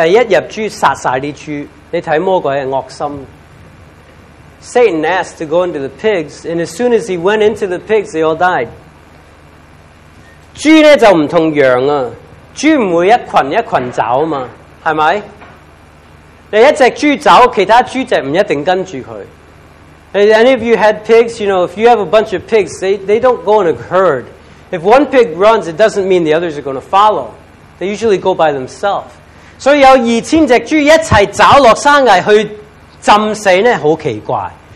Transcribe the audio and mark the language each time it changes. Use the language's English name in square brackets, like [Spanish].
[Cantonese] 猪的数目约有2000。魔鬼要求入猪，第一入猪杀晒啲猪，你睇魔鬼系恶心。 [English] Satan asked to go into the pigs, and as soon as he went into the pigs, they all died. [Cantonese] 猪呢就唔同羊啊，猪唔会一群一群走啊嘛，系咪？你一只猪走，其他猪只唔一定跟住佢。 [English] Any of you had pigs, you know, if you have a bunch of pigs, they don't go in a herd. If one pig runs, it doesn't mean the others are going to follow. They usually go by themselves. [Cantonese] So 有2000隻豬一齊走落山崖去浸死呢,好奇怪.